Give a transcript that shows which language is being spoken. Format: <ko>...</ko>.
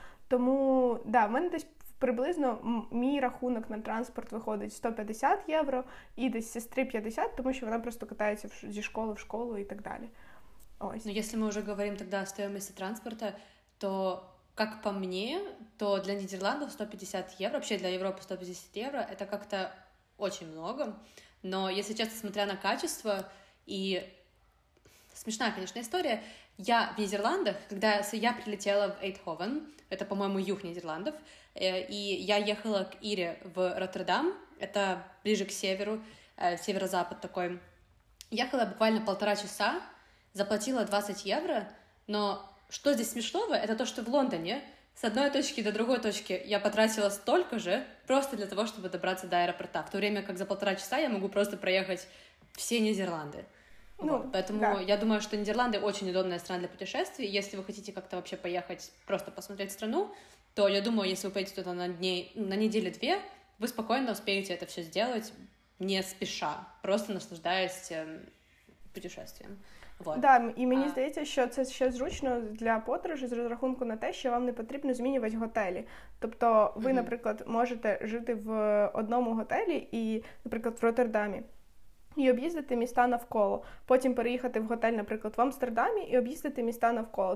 <uk>Тому, да, в мене десь приблизно мій рахунок на транспорт виходить 150 євро і десь сестри 50, тому що вона просто катається зі школи в школу і так далі. Ось. Ну, якщо ми вже говоримо тоді о стоїмості транспорту, то, як по мені, то для Нідерландів 150 євро, взагалі для Європи 150 євро, це як-то дуже багато.</uk> <ru>Но, если честно, смотря на качество, и смешная, конечно, история, я в Нидерландах, когда я прилетела в Эйтховен, это, по-моему, юг Нидерландов, и я ехала к Ире в Роттердам, это ближе к северу, северо-запад такой, ехала буквально полтора часа, заплатила 20 евро, но что здесь смешного, это то, что в Лондоне с одной точки до другой точки я потратила столько же, просто для того, чтобы добраться до аэропорта. В то время как за полтора часа я могу просто проехать все Нидерланды. Ну, вот. Поэтому да. Я думаю, что Нидерланды очень удобная страна для путешествий. Если вы хотите как-то вообще поехать просто посмотреть страну, то я думаю, если вы поедете туда на неделю-две, вы спокойно успеете это все сделать, не спеша, просто наслаждаясь путешествием. Вот.</ru> <uk>Да, і мені здається, що це ще зручно для подорожі з розрахунку на те, що вам не потрібно змінювати готелі. Тобто ви, наприклад, можете жити в одному готелі, і, наприклад, в Роттердамі, і об'їздити міста навколо. Потім переїхати в готель, наприклад, в Амстердамі, і об'їздити міста навколо.</uk>